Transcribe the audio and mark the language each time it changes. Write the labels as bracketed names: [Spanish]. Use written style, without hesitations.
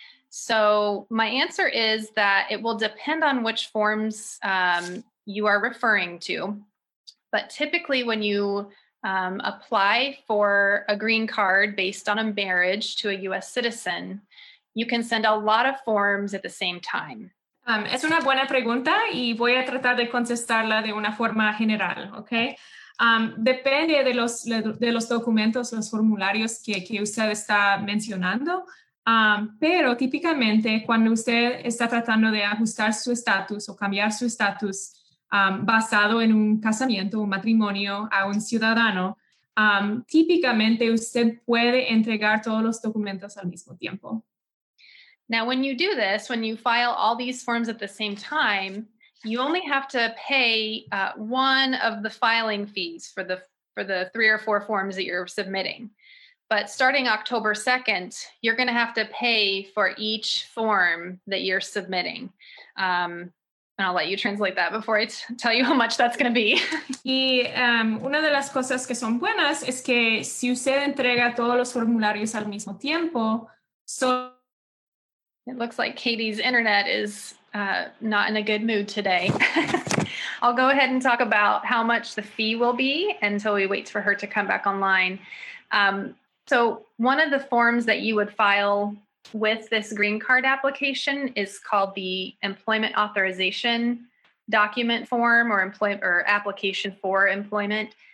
[English] So my answer is that it will depend on which forms you are referring to. But typically when you apply for a green card based on a marriage to a US citizen, you can send a lot of forms at the same time. [Spanish] Es una buena pregunta y voy a tratar de contestarla de una forma general, okay? Depende de los documentos, los formularios que usted está mencionando. Pero típicamente cuando usted está tratando de ajustar su estatus o cambiar su estatus basado en un casamiento, un matrimonio a un ciudadano, típicamente usted puede entregar todos los documentos al mismo tiempo. [English] Now, when you do this, when you file all these forms at the same time, you only have to pay one of the filing fees for the three or four forms that you're submitting. But starting October 2nd, you're going to have to pay for each form that you're submitting. And I'll let you translate that before I tell you how much that's going to be. [Spanish] Y una de las cosas que son buenas es que si usted entrega todos los formularios al mismo tiempo, so... [English] It looks like Katie's internet is not in a good mood today. I'll go ahead and talk about how much the fee will be until we wait for her to come back online. So one of the forms that you would file with this green card application is called the employment authorization document form or application for employment.